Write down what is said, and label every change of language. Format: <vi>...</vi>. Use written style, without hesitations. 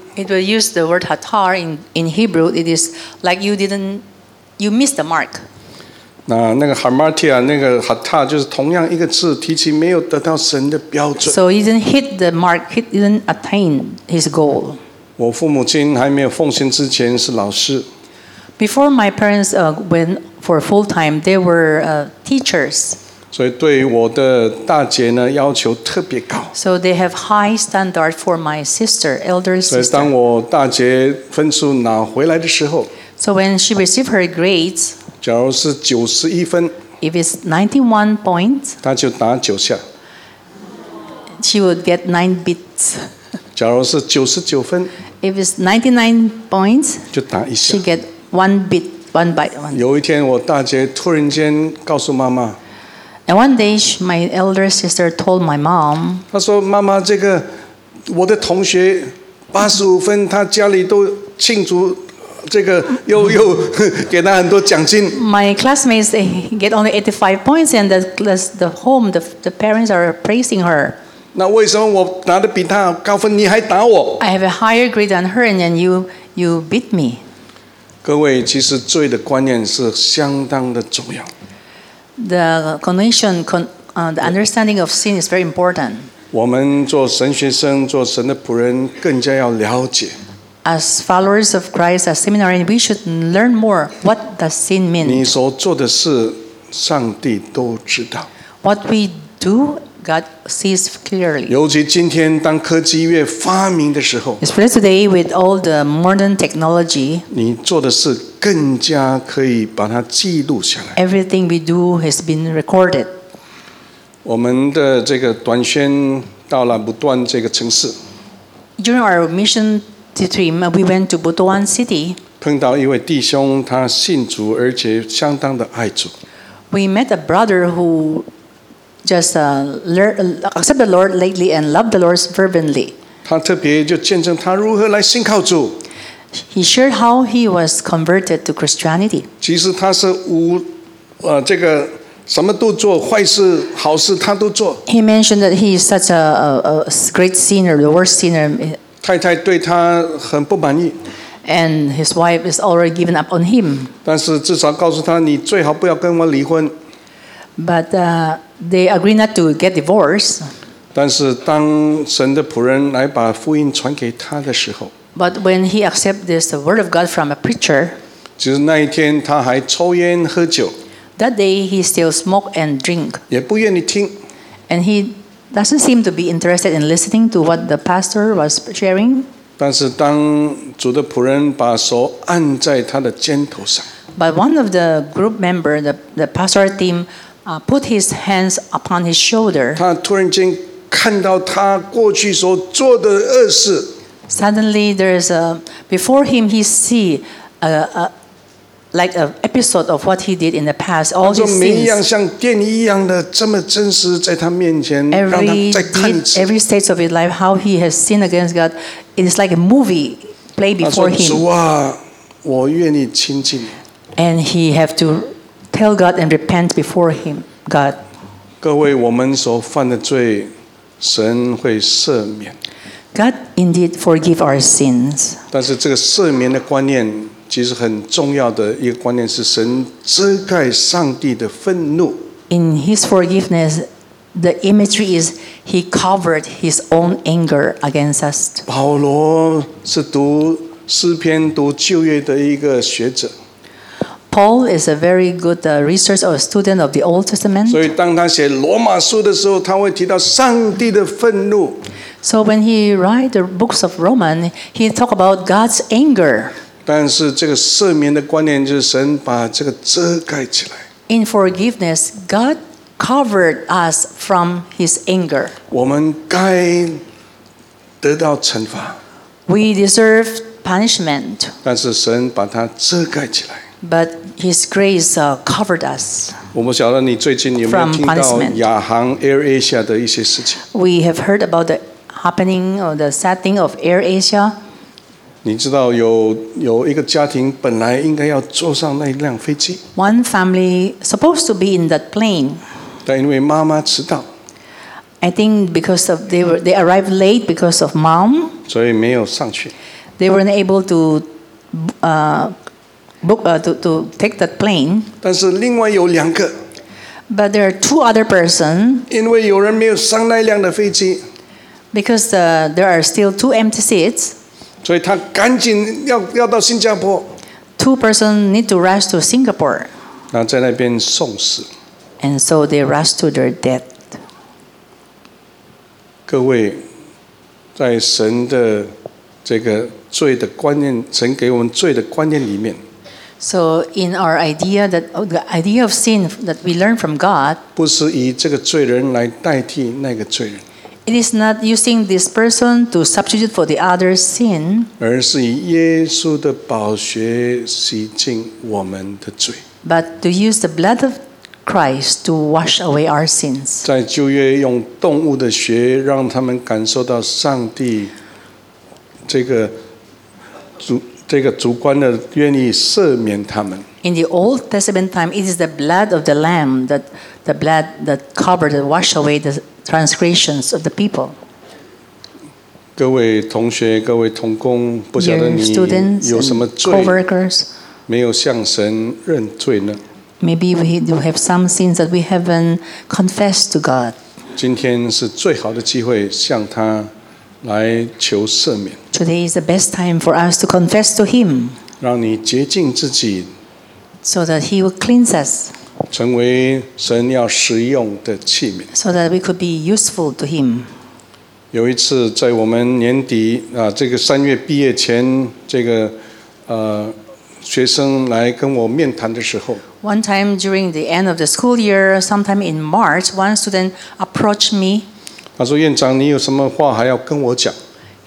<en>It will use the word hatar in Hebrew. It is like you missed the mark.</en> <zh>那个 hamartia 那个 hatar 就是同样一个字提起没有得到神的标准。</zh> <en>So he didn't hit the mark. He didn't attain his goal.</en> <zh>我父母亲还没有奉献之前是老师。</zh> <en>Before my parents went for full time, they were teachers.</en> <zh>所以对我的大姐呢要求特别高。</zh> <en>So they have high standard for my sister, elder sister.</en> <zh>所以当我大姐分数拿回来的时候</zh> <en>，So when she received her grades,</en> <zh>假如是91分</zh> <en>，If it's 91 points,</en> <zh>她就打九下</zh> <en>，She would get 9 bits.</en> <zh>假如是99分</zh> <en>，If it's 99 points,</en> <zh>就打一下</zh> <en>，She get 1 bit, 1 byte, 1.</en> <zh>有一天我大姐突然间告诉妈妈。</zh> <en>And one day, my elder sister told my mom.</en> <zh>她说：“妈妈，这个我的同学85分，他家里都庆祝，这个又给他很多奖金。”</zh> <en>My classmates get only 85 points, and the home, the parents are praising her.</en> <zh>那为什么我拿的比他高分，你还打我</zh> <en>？I have a higher grade than her, and you beat me.</en> <zh>各位，其实罪的观念是相当的重要。</zh> <en>The cognition, the understanding of sin is very important.</en> <zh>我们做神学生，做神的仆人，更加要了解。</zh> <en>As followers of Christ, as seminarians, we should learn more. What does sin mean?</en> <zh>你所做的事，上帝都知道。</zh> <en>What we do, God sees clearly.</en> <zh>尤其今天，当科技越发明的时候</zh> <en>，Especially today with all the modern technology,</en> <zh>你做的事。更加可以把它记录下来。</zh> <en>Everything we do has been recorded.</en> <zh>我们的这个短宣到了不断这个城市。</zh> <en>During our mission trip, we went to Butuan City.</en> <zh>碰到一位弟兄，他信主而且相当的爱主。</zh> <en>We met a brother who just accepted the Lord lately and loved the Lord fervently.</en> <zh>他特别就见证他如何来信靠主。</zh> <en>He shared how he was converted to Christianity.</en> <zh>其实他是这个什么都做，坏事、好事他都做。</zh> <en>He mentioned that he is such a great sinner, the worst sinner.</en> <zh>太太对他很不满意。</zh> <en>And his wife is already given up on him.</en> <zh>但是至少告诉他，你最好不要跟我离婚。</zh> <en>But they agree not to get divorced.</en> <zh>但是当神的仆人来把福音传给他的时候。</zh> <en>But when he accepted this, the word of God from a preacher,</en> <zh>就是那一天他还抽烟喝酒。</zh> <en>That day he still smoked and drink.</en> <zh>也不愿意听。</zh> <en>And he doesn't seem to be interested in listening to what the pastor was sharing.</en> <zh>但是当主的仆人把手按在他的肩头上。</zh> <en>But one of the group member, the pastor team, put his hands upon his shoulder.</en> <zh>他突然间看到他过去所做的恶事。</zh> <en>Suddenly, there is a before him. He see a like an episode of what he did in the past. All his sins.</en> <zh>每一样像电影一样的这么真实，在他面前，让他再看一次。</zh> <en>Every stage of his life, how he has sinned against God, it is like a movie play before him.</en> <zh>他说：“主啊，我愿意亲近你。”</zh> <en>And he have to tell God and repent before him, God.</en> <zh>各位，我们所犯的罪，神会赦免。</zh> <en>God indeed forgive our sins.</en> <zh>但是这个赦免的观念其实很重要的一个观念是神遮盖上帝的愤怒。</zh> <en>In his forgiveness, the imagery is he covered his own anger against us.</en> <zh>保罗是读诗篇、读旧约的一个学者。</zh> <en>Paul is a very good researcher or student of the Old Testament.</en> <zh>所以当他写罗马书的时候，他会提到上帝的愤怒。</zh> <en>So when he write the books of Roman, he talk about God's anger.</en> <zh>但是这个赦免的观念就是神把这个遮盖起来。</zh> <en>In forgiveness, God covered us from His anger.</en> <zh>我们该得到惩罚。</zh> <en>We deserve punishment.</en> <zh>但是神把它遮盖起来。</zh> <en>But His grace covered us.</en> <zh>我不晓得你最近有没有听到亚航 Air Asia 的一些事情。</zh> <en>We have heard about the happening or the sad thing of Air Asia.</en> <zh>你知道有一个家庭本来应该要坐上那一辆飞机。</zh> <en>One family supposed to be in that plane.</en> <zh>但因为妈妈迟到。</zh> <en>I think because of they arrived late because of mom.</en> <zh>所以没有上去。</zh> <en>They weren't able to to take that plane.</en> <zh>但是另外有两个。</zh> <en>But there are two other persons.</en> <zh>因为有人没有上那辆的飞机。</zh> <en>Because there are still two empty seats.</en> <zh>所以他赶紧要到新加坡。</zh> <en>Two persons need to rush to Singapore.</en> <zh>然后在那边送死。</zh> <en>And so they rush to their death.</en> <zh>各位，在神的这个罪的观念，神给我们罪的观念里面。</zh> <en>So in our idea that the idea of sin that we learn from God,</en> <zh>不是以这个罪人来代替那个罪人。</zh> <en>It is not using this person to substitute for the other sin,</en> <zh>而是以耶稣的宝血洗净我们的罪。</zh> <en>But to use the blood of Christ to wash away our sins.</en> <zh>在旧约用动物的血让他们感受到上帝这个主观的愿意赦免他们。</zh> <en>In the Old Testament time, it is the blood of the lamb that the blood that covered and washed away the transgressions of the people.</en> <zh>各位同学，各位同工，不晓得你</zh> <en>students,</en> <zh>有什么罪</zh> <en>co-workers,</en> <zh>没有向神认罪呢</zh> <en>？Maybe we do have some sins that we haven't confessed to God.</en> <zh>今天是最好的机会向他来求赦免。</zh> <en>Today is the best time for us to confess to Him.</en> <zh>让你洁净自己。</zh> <en>So that He will cleanse us.</en> <zh>成为神要使用的器皿。</zh> <en>So that we could be useful to Him.</en> <zh>有一次在我们年底这个三月毕业前，这个学生来跟我面谈的时候。</zh> <en>One time during the end of the school year, sometime in March, one student approached me.</en> <zh>他说：“院长，你有什么话还要跟我讲？”</zh>